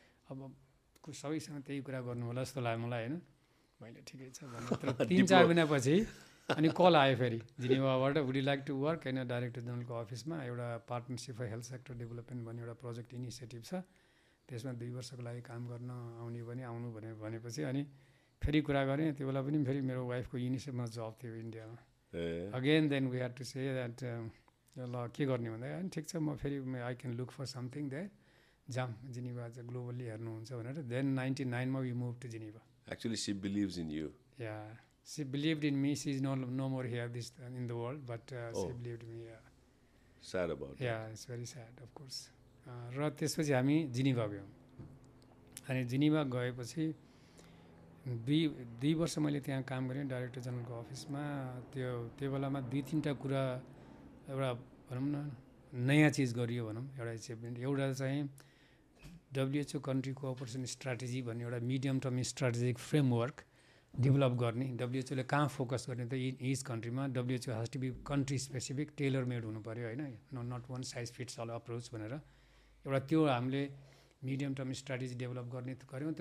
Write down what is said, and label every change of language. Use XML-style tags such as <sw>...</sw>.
<ne>अब सबैसँग त्यही कुरा गर्नु होला जस्तो लाग्यो मलाई, होइन मैले ठिकै छ भने तर तिन चार महिनापछि अनि कल आयो फेरि जिनेवाबाट,</ne> <en>would you like to work</en> <ne>होइन डाइरेक्टर जेनरलको अफिसमा, एउटा partnership for health sector development भन्ने एउटा प्रोजेक्ट इनिसिएटिभ छ, त्यसमा दुई वर्षको लागि काम गर्न आउने भने आउनु भने भनेपछि अनि फेरि कुरा गरेँ। त्यो बेला पनि फेरि मेरो वाइफको युनिसेफमा जब थियो इन्डियामा,</ne> <en>again then we had to say that</en> <ne>ल के गर्ने भन्दा अनि ठिक छ म फेरि</ne> <en>I can look for something there</en> <ne>जाम जिनेभा चाहिँ ग्लोबल्ली हेर्नुहुन्छ भनेर</ne> <en>Then 99 we move to Geneva. Actually she believes in you. Yeah she believed in me, she is no more here this in the world but she believed me. Yeah sad about, yeah it's very sad of course.</en> <ne>र त्यसपछि हामी जिनेभा गयौँ, अनि जिनेभा गएपछि दुई वर्ष मैले त्यहाँ काम गरेँ डाइरेक्टर जेनरलको अफिसमा। त्यो बेलामा दुई तिनवटा कुरा एउटा भनौँ न नयाँ चिज गरियो भनौँ, एउटा एचिभमेन्ट, एउटा चाहिँ WHO कन्ट्री कोअपरेसन स्ट्राटेजी भन्ने एउटा medium term strategic framework develop गर्ने, WHOले कहाँ फोकस गर्ने त in each कन्ट्रीमा,</ne> <en>WHO has to be country specific tailor made</en> <ne>हुनु पऱ्यो होइन,</ne> <en>not one size fits all approach</en> <ne>भनेर एउटा त्यो हामीले मिडियम टर्म स्ट्राटेजी डेभलप गर्ने गऱ्यौँ।</ne>